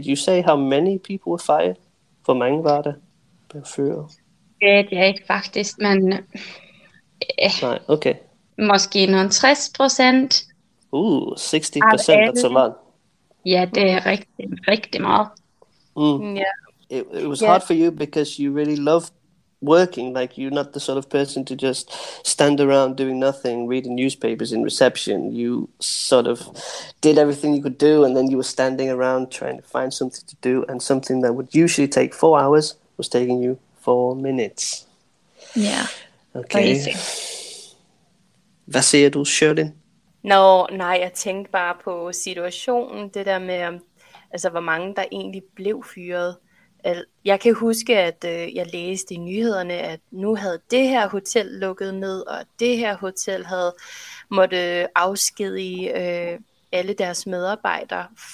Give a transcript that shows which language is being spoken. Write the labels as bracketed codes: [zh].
[en] Did you say how many people were fired? [da] For mange var det? Det ved jeg ikke faktisk, men nej, okay. Måske nogen 60%. [en] 60%, that's a lot. [da] Ja, det er rigtig, rigtig meget. [en] It was hard for you because you really loved working, like you're not the sort of person to just stand around doing nothing, reading newspapers in reception. You sort of did everything you could do, and then you were standing around trying to find something to do, and something that would usually take 4 hours was taking you 4 minutes. Yeah. [da] Okay. Hvad siger du, Sherlyn? Nå, nej, jeg tænkte bare på situationen, det der med, altså hvor mange der egentlig blev fyret. Jeg kan huske, at jeg læste i nyhederne, at nu havde det her hotel lukket ned, og det her hotel havde måtte afskedige alle deres medarbejdere.